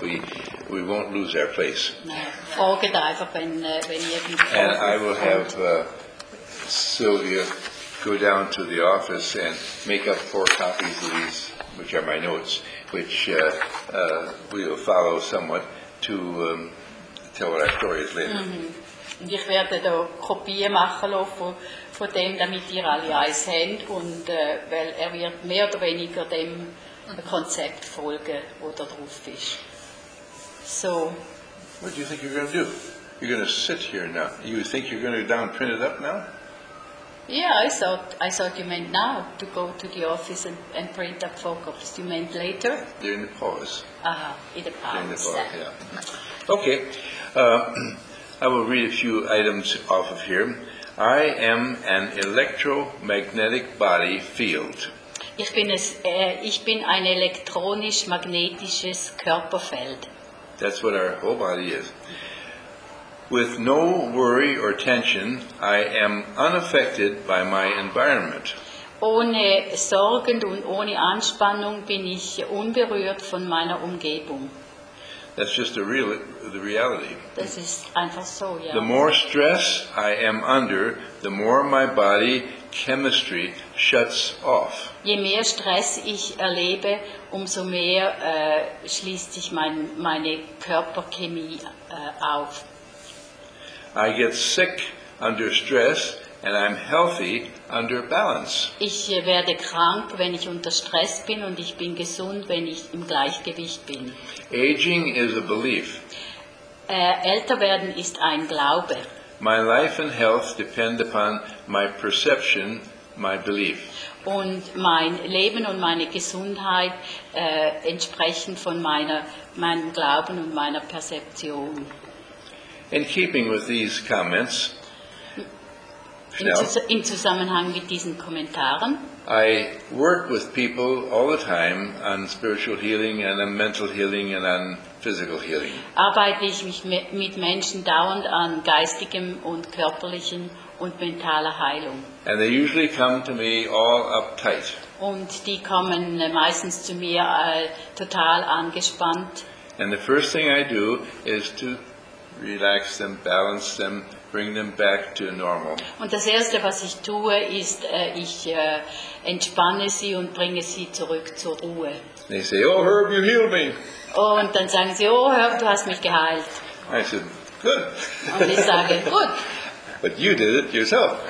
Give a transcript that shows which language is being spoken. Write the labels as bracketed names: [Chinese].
[English] We won't lose our place. And I will have Sylvia go down to the office and make up 4 copies of these, which are my notes, which we will follow somewhat to tell what our story is later. Mm-hmm. [German] Und ich werde da Kopien machen lassen von dem, damit ihr alle eins habt, und weil er wird mehr oder weniger dem Konzept folgen, wo da drauf ist. [English] So. What do you think you're going to do? You're going to sit here now. You think you're going to down print it up now? Yeah, I thought you meant now to go to the office and print up 4 copies. You meant later? During the pause. Aha, in the pause. During the pause. Yeah. Okay. I will read a few items off of here. I am an electromagnetic body field. [German] Ich bin ein elektronisch-magnetisches Körperfeld. [English] That's what our whole body is. With no worry or tension, I am unaffected by my environment. [German] Ohne Sorgen und ohne Anspannung bin ich unberührt von meiner Umgebung. [English] That's just the reality. [German] Das ist einfach so, ja. [English] The more stress I am under, the more my body chemistry shuts off. [German] Je mehr Stress ich erlebe, umso mehr schließt sich meine Körperchemie auf. [English] I get sick under stress and I'm healthy under balance. [German] Ich werde krank, wenn ich unter Stress bin, und ich bin gesund, wenn ich im Gleichgewicht bin. [English] Aging is a belief. [German] Älter werden ist ein Glaube. [English] My life and health depend upon my perception, my belief. [German] Und mein Leben und meine Gesundheit entsprechen von meinem Glauben und meiner Perzeption. [English] In keeping with these comments, [German] in Zusammenhang mit diesen Kommentaren, [English] I work with people all the time on spiritual healing and on mental healing and on physical healing. [German] Arbeite ich mit Menschen dauernd an geistigem und körperlichen und mentaler Heilung. [English] And they usually come to me all uptight. [German] Und die kommen meistens zu mir total angespannt. [English] And the first thing I do is to relax them, balance them, bring them back to normal. [German] Und das erste, was ich tue, ist, ich entspanne sie und bringe sie zurück zur Ruhe. [English] They say, "Oh, Herb, you healed me." [German] Und dann sagen sie, "Oh, Herb, du hast mich geheilt." [English] I said, "Good." [German] Und ich sage, "Gut." [English] But you did it yourself.